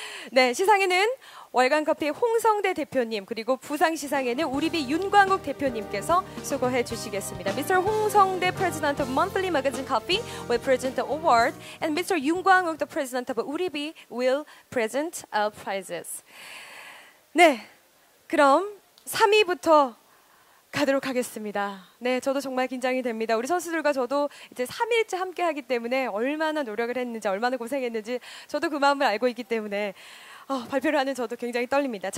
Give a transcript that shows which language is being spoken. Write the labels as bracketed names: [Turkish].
[Korean] 네, 시상에는 월간커피 홍성대 대표님 그리고 부상시상에는 우리비 윤광국 대표님께서 수고해 주시겠습니다. [English] Mr. 홍성대 President of Monthly Magazine Coffee will present the award and Mr. 윤광국 the President of 우리비 will present our prizes. [Korean] 네, 그럼 3위부터 가도록 하겠습니다. 네, 저도 정말 긴장이 됩니다. 우리 선수들과 저도 이제 3일째 함께하기 때문에 얼마나 노력을 했는지, 얼마나 고생했는지 저도 그 마음을 알고 있기 때문에 발표를 하는 저도 굉장히 떨립니다.